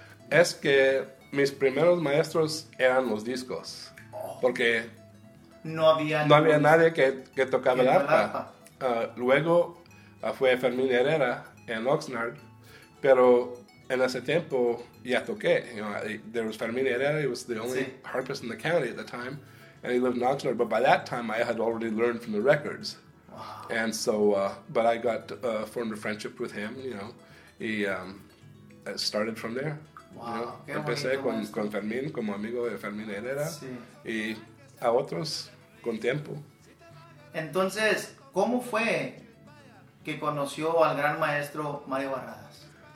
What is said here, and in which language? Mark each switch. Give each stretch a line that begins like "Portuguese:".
Spanish: Es que mis primeros maestros eran los discos. Oh. Porque No había nadie que tocaba el arpa. Luego fue Fermín Herrera en Oxnard, pero en ese tiempo ya toqué.
English: You know, there was Fermín Herrera, he was the only harpist in the county at the time, and he lived in Oxnard, but by that time I had already learned from the records. Wow. And so, but I got formed a friendship with him, you know, y started from there. Wow, you know,
Spanish: empecé con Fermín, como amigo de Fermín Herrera, sí. Y a otros con tiempo. Entonces, ¿cómo fue que conoció al gran maestro Mario Barradas?